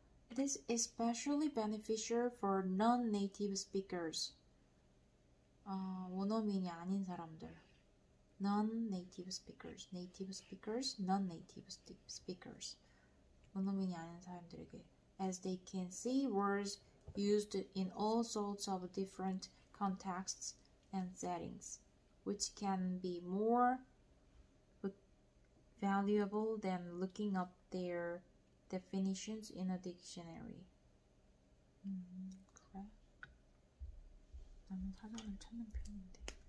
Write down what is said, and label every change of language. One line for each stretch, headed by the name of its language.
English: It is especially beneficial for non-native speakers.
Korean: 아, 원어민이 아닌 사람들.
English: Non-native speakers. Native speakers, non-native speakers.
Korean: 원어민이 아닌 사람들에게.
English: As they can see words used in all sorts of different contexts and settings, which can be more valuable than looking up their Definitions in a dictionary.
Korean: 그래? 나는 사전을 찾는 편인데.